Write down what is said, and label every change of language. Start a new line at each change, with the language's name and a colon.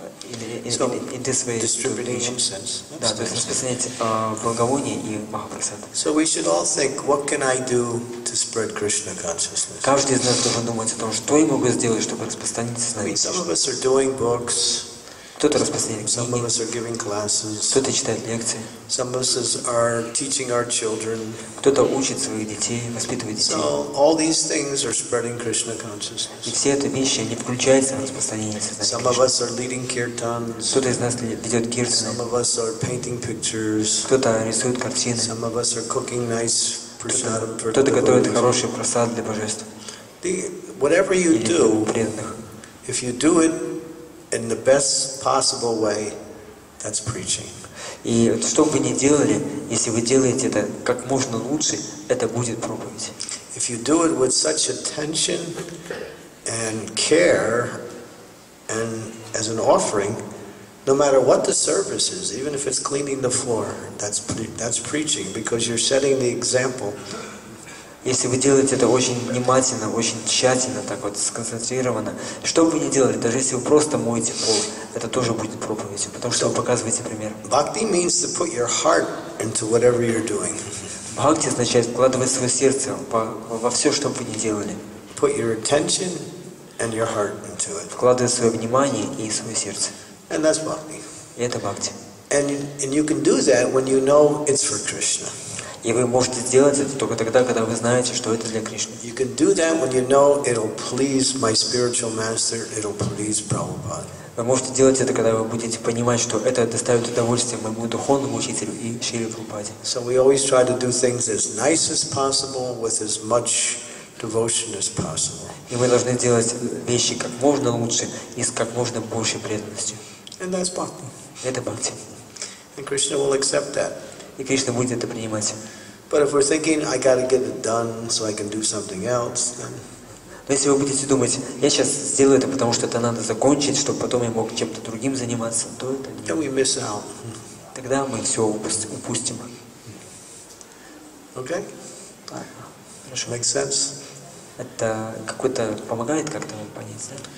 English: So we should all think, what can I do to spread Krishna consciousness?
Russian: Каждый из нас должен думать о том, что я могу сделать, чтобы распространить знания.
English: Some of us are doing books.
Russian: Кто-то распространяет книги.
English: Some of us are giving classes.
Russian: Кто-то читает лекции.
English: Some of us are teaching our children.
Russian: Кто-то учит своих детей, воспитывает детей.
English: So all these things are spreading Krishna consciousness.
Russian: И все эти вещи, они включаются в распространение сознания Кришны.
English: Some of us are leading kirtans.
Russian: Кто-то из нас ведет киртаны.
English: Some of us are painting pictures.
Russian: Кто-то рисует картины.
English: Some of us are cooking nice prasadam.
Russian: Кто-то готовит хороший просад для божеств.
English: Whatever you do, if you do it in the best possible way, that's preaching.
Russian: И что бы вы ни делали, если вы делаете это как можно лучше, это будет проповедь.
English: If you do it with such attention and care and as an offering, no matter what the service is, even if it's cleaning the floor, that's preaching, because you're setting the example.
Russian: Если вы делаете это очень внимательно, очень тщательно, так вот, сконцентрированно, что бы вы ни делали, даже если вы просто моете пол, это тоже будет проповедью, потому что вы показываете пример.
English: Bhakti means to put your heart into whatever you're doing.
Russian: Бхакти означает вкладывать свое сердце во все, что бы вы ни делали.
English: Put your attention and your heart into it.
Russian: Вкладывать свое внимание и свое сердце.
English: And that's Bhakti.
Russian: И это Бхакти.
English: And you can do that when you know it's for Krishna.
Russian: И вы можете сделать это только тогда, когда вы знаете, что это для Кришны.
English: You can do that when you know it'll please my spiritual master, it'll please Prabhupada.
Russian: Вы можете делать это, когда вы будете понимать, что это доставит удовольствие моему духовному учителю и Шри Прабхупаде.
English: So we always try to do things as nice as possible with as much devotion as possible.
Russian: И мы должны делать вещи как можно лучше и с как можно большей преданностью.
English: And that's bhakti.
Russian: Это бхакти.
English: And Krishna will accept that.
Russian: И Кришна будет это принимать.
English: But if we're thinking, I got to get it done so I can do something else, then.
Russian: Но если вы будете думать, я сейчас сделаю это, потому что это надо закончить, чтобы потом я мог чем-то другим заниматься, то это нет.
English: Then we miss out.
Russian: Тогда мы все упустим.
English: Okay?
Russian: Хорошо.
English: Make sense?
Russian: Это какой-то помогает как-то понять, да?